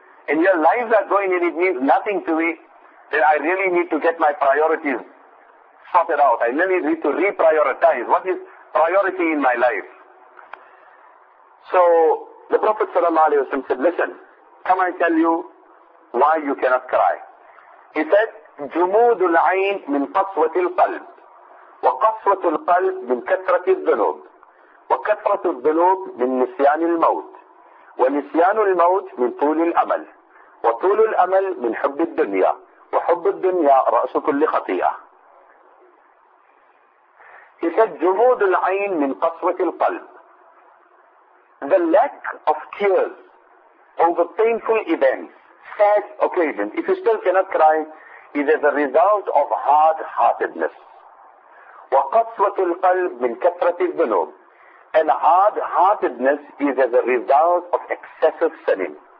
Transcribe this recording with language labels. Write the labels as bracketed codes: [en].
[en] And your lives are going and it means nothing to me. Then I really need to get my priorities sorted out. I really need to reprioritize. What is priority in my life? So the Prophet ﷺ said, listen, come I tell you why you cannot cry. He said, [ar] جمود العين من قصوة القلب وقصوة القلب من كثرة الذنوب وكثرة الذنوب من نسيان الموت ونسيان الموت من طول الأمل وطول الأمل من حب الدنيا وحب الدنيا رأس كل خطيئة. [en] He said, [ar] جمود العين من قصوة القلب. [en] The lack of tears over painful events, sad occasions, if you still cannot cry, it is a result of hard-heartedness. [ar] وَقَصْوَةُ الْقَلْبِ مِنْ كَثْرَةِ الذُّنُوبِ. [en] And hard-heartedness is as a result of excessive sinning.